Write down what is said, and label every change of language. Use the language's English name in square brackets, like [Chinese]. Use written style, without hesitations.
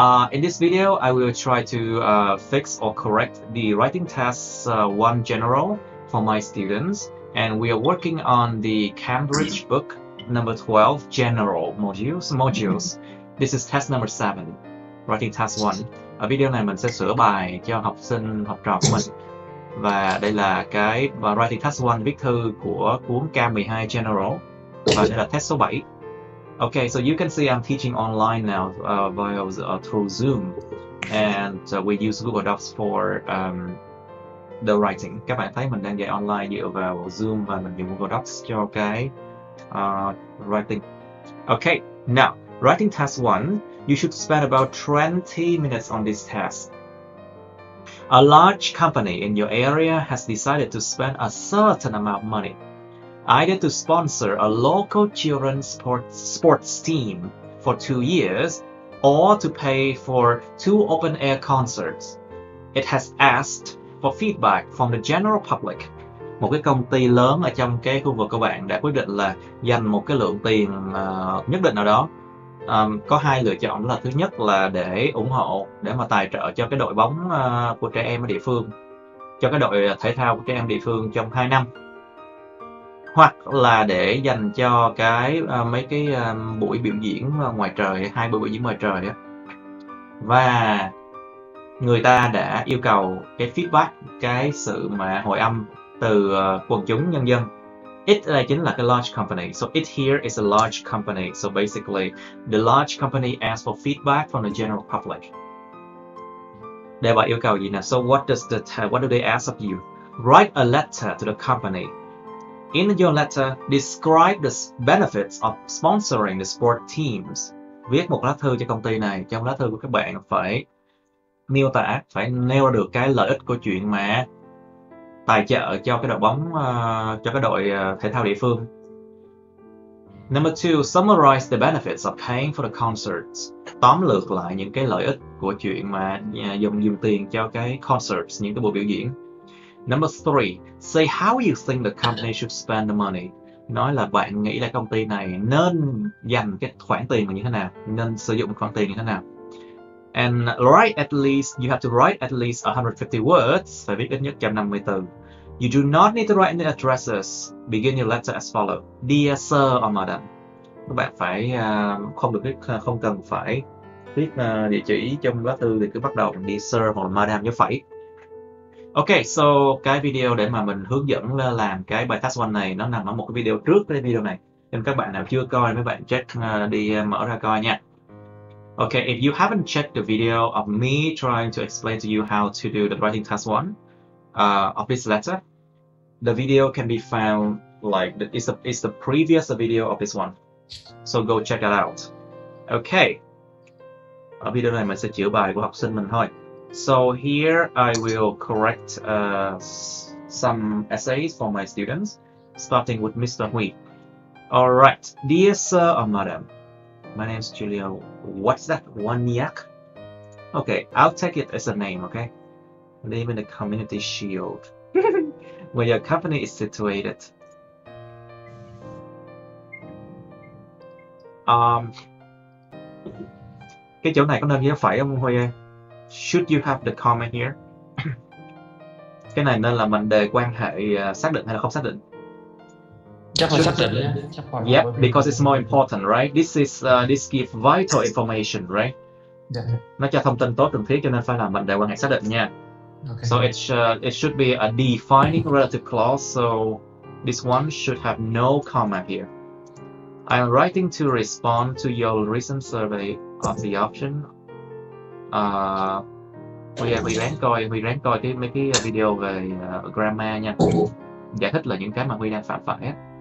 [English] In this video, I will try to fix or correct the writing tests one general for my students, and we are working on the Cambridge book number 12 general modules. This is test number 7, writing test 1. [Vietnamese] Ở video này mình sẽ sửa bài cho học sinh học trò của mình. Và đây là cái writing test 1 viết thư của cuốn Cam 12 general. Test số 7. [English] Okay, so you can see I'm teaching online now through Zoom, and we use Google Docs for the writing. [Vietnamese] Các bạn thấy mình đang dạy online dựa vào Zoom và mình dùng Google Docs cho cái writing. [English] Okay, now writing test 1. You should spend about 20 minutes on this test. A large company in your area has decided to spend a certain amount of money, either to sponsor a local children's sports team for 2 years or to pay for 2 open-air concerts. It has asked for feedback from the general public. [Vietnamese] Một cái công ty lớn ở trong cái khu vực của bạn đã quyết định là dành một cái lượng tiền nhất định nào đó. Có hai lựa chọn, là thứ nhất là để ủng hộ, để mà tài trợ cho cái đội bóng của trẻ em ở địa phương, cho cái đội thể thao của trẻ em địa phương trong 2 năm, hoặc là để dành cho cái mấy cái buổi biểu diễn ngoài trời, 2 buổi biểu diễn ngoài trời á. Và người ta đã yêu cầu cái feedback, cái sự mà hồi âm từ quần chúng nhân dân. It đây chính là cái [English] large company. So it here is a large company. So basically, the large company asks for feedback from the general public. [Vietnamese] Để bà yêu cầu gì nè? [English] So what does the what do they ask of you? Write a letter to the company. In your letter, describe the benefits of sponsoring the sport teams. [Vietnamese] Viết một lá thư cho công ty này. Trong lá thư của các bạn phải miêu tả, phải nêu được cái lợi ích của chuyện mà tài trợ cho cái đội bóng, cho cái đội thể thao địa phương. [English] Number 2, summarize the benefits of paying for the concerts. [Vietnamese] Tóm lược lại những cái lợi ích của chuyện mà dùng tiền cho cái concerts, những cái buổi biểu diễn. [English] Number 3, say how you think the company should spend the money. [Vietnamese] Nói là bạn nghĩ là công ty này nên dành cái khoản tiền như thế nào, nên sử dụng khoản tiền như thế nào. [English] And write at least, you have to write at least 150 words. [Vietnamese] Phải viết ít nhất 150 từ. [English] You do not need to write any addresses. Begin your letter as follows. Dear sir or madam. [Vietnamese] Các bạn phải không cần phải viết địa chỉ trong lá thư, thì cứ bắt đầu bằng [English] dear sir [Vietnamese] hoặc madam như phải. Okay, so cái video để mà mình hướng dẫn làm cái bài test 1 này nó nằm ở một cái video trước cái video này. Nên các bạn nào chưa coi, mấy bạn check đi mở ra coi nha. [English] Okay, if you haven't checked the video of me trying to explain to you how to do the writing test 1 of this letter, the video can be found, like, it's the previous video of this one. So go check that out. Okay. [Vietnamese] Ở video này mình sẽ chữa bài của học sinh mình thôi. [English] So here I will correct some essays for my students, starting with Mr. Hui. All right, dear sir or madam, my name is Julia. What's that, Wanyak? Okay, I'll take it as a name. Okay, name in the community shield where your company is situated. [Vietnamese] Cái chỗ này có nên nhớ phải không Hui ơi? [English] Should you have the comma here? [Vietnamese] Cái này nên là mệnh đề quan hệ xác định hay là không xác định? Chắc là xác định. [English] Yep, because it's more important, right? This is this give vital information, right? Yeah. [Vietnamese] Nó cho thông tin tốt cần thiết cho nên phải là mệnh đề quan hệ xác định nha. [English] Okay. So it should be a defining relative clause. So this one should have no comma here. I'm writing to respond to your recent survey of the option. [Vietnamese] Huy ráng coi mấy cái video về grammar nha. Giải thích là những cái mà Huy đang phạm phải.